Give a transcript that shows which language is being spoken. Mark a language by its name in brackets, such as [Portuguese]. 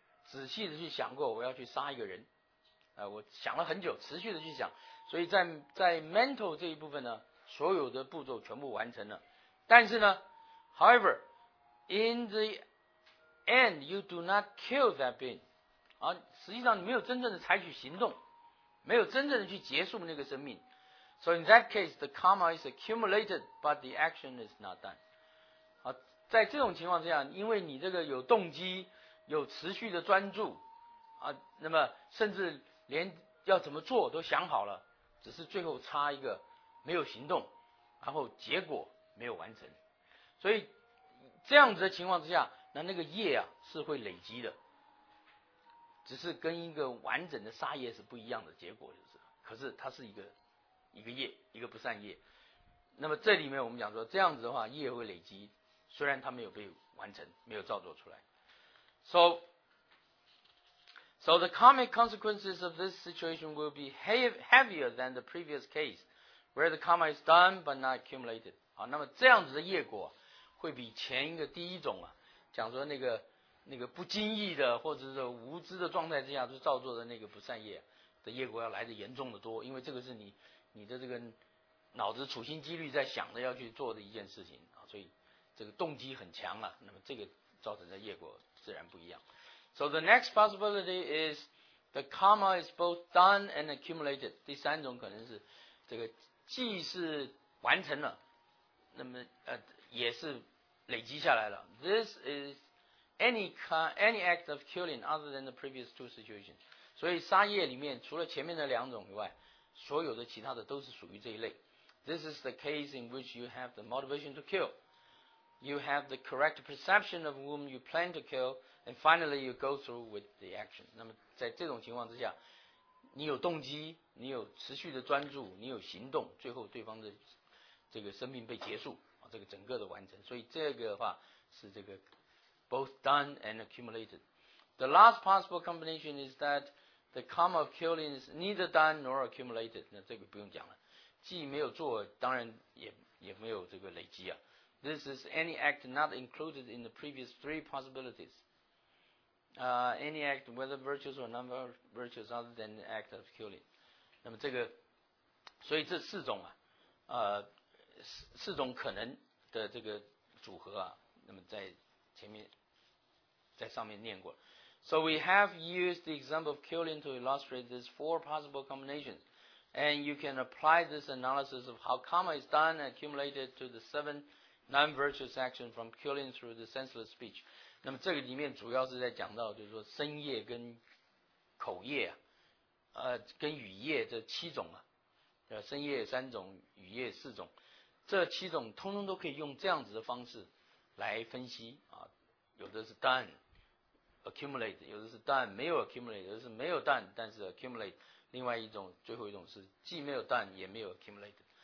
[Chinese] 仔细的去想过我要去杀一个人、我想了很久，持续的去想，所以在 mental 这一部分呢，所有的步骤全部完成了，但是呢 [English] however in the end you do not kill that being、 [Chinese] 啊、实际上你没有真正的采取行动，没有真正的去结束那个生命。 [English] So in that case, the karma is accumulated, but the action is not done.、啊、 [Chinese] 在这种情况之下，因为你这个有动机，有持续的专注啊，那么甚至连要怎么做都想好了，只是最后差一个没有行动，然后结果没有完成。所以这样子的情况之下，那个业啊是会累积的，只是跟一个完整的杀业是不一样的结果，就是。可是它是一个业，一个不善业。那么这里面我们讲说，这样子的话业会累积，虽然它没有被完成，没有造作出来。 [English] So the karmic consequences of this situation will be heavier than the previous case, where the karma is done but not accumulated. [Chinese] 好，那么这样子的业果会比前一个第一种啊，讲说那个不经意的或者是无知的状态之下就造作的那个不善业的业果要来得严重的多，因为这个是你的这个脑子处心积虑在想着要去做的一件事情啊，所以这个动机很强了，那么这个造成的业果自然不一样。 [English] So the next possibility is the karma is both done and accumulated. [Chinese] 第三种可能是这个既是完成了，那么也是累积下来了。 [English] This is any act of killing other than the previous two situations. [Chinese] 所以杀业里面除了前面的两种以外，所有的其他的都是属于这一类。 [English] This is the case in which you have the motivation to kill. You have the correct perception of whom you plan to kill. And finally, you go through with the action. [Chinese] 那么在这种情况之下，你有动机，你有持续的专注，你有行动，最后对方的这个生命被结束，这个整个的完成。所以这个的话是这个 [English] both done and accumulated. The last possible combination is that the karma of killing is neither done nor accumulated. [Chinese] 那这个不用讲了，既没有做，当然也没有这个累积啊。 [English] This is any act not included in the previous three possibilities. Any act, whether virtuous or non-virtuous, other than the act of killing. [Chinese] 那么这个，所以这四种啊，四种可能的这个组合啊，那么在前面，在上面念过。 [English] So we have used the example of killing to illustrate these four possible combinations, and you can apply this analysis of how karma is done and accumulated to the seven non-virtuous actions from killing through the senseless speech. [Chinese] 那么这个里面主要是在讲到，就是说身业跟口业啊，跟语业这七种啊，身业三种，语业四种，这七种通通都可以用这样子的方式来分析啊，有的是 done accumulate， 有的是 done 没有 accumulate， 有的是没有 done 但是 accumulate， 另外一种最后一种是既没有 done 也没有 accumulate。